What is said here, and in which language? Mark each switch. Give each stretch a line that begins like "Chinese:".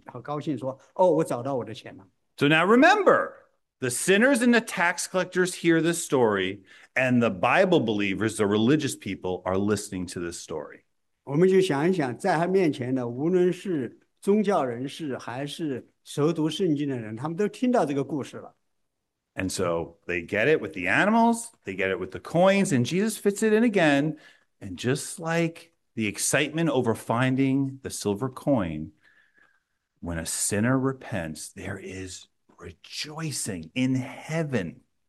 Chinese: 就掉了之后，然后他找到之后，那个富人好高兴，好高兴说：“哦，我找到我的钱了。”
English: So now remember, the sinners and the tax collectors hear this story, and the Bible believers, the religious people, are listening to this story.
Chinese: 我们就想一想，在他面前的，无论是宗教人士还是熟读圣经的人，他们都听到这个故事了。
English: And so they get it with the animals, they get it with the coins, and Jesus fits it in again, and just like the excitement over finding the silver coin, when a sinner repents, there is rejoicing in heaven.